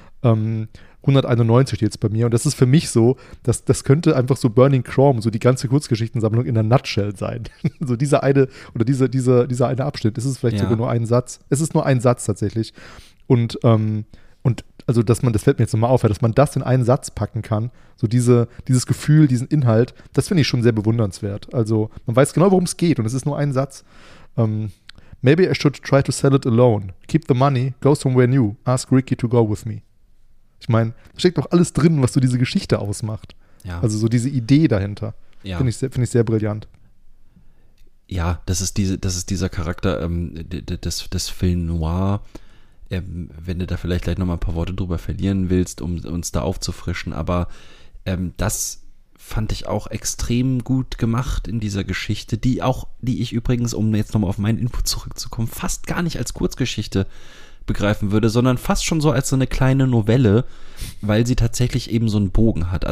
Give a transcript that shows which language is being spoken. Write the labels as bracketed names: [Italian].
[German] 191 steht jetzt bei mir und das ist für mich so, dass, das könnte einfach so Burning Chrome, so die ganze Kurzgeschichtensammlung in der Nutshell sein, so dieser eine oder dieser eine Abschnitt, ist es vielleicht sogar nur ein Satz, es ist nur ein Satz tatsächlich und also, dass man, das fällt mir jetzt nochmal auf, dass man das in einen Satz packen kann, so dieses Gefühl, diesen Inhalt, das finde ich schon sehr bewundernswert. Also, man weiß genau, worum es geht und es ist nur ein Satz. [English] Maybe I should try to sell it alone. Keep the money, go somewhere new. Ask Ricky to go with me. [German] Ich meine, da steckt doch alles drin, was so diese Geschichte ausmacht. Ja. Also, so diese Idee dahinter. Ja. Find ich sehr brillant. Ja, das ist dieser Charakter des Film Noir. Wenn du da vielleicht gleich nochmal ein paar Worte drüber verlieren willst, um uns da aufzufrischen, aber das fand ich auch extrem gut gemacht in dieser Geschichte, die ich übrigens, um jetzt nochmal auf meinen Input zurückzukommen, fast gar nicht als Kurzgeschichte begreifen würde, sondern fast schon so als so eine kleine Novelle, weil sie tatsächlich eben so einen Bogen hat.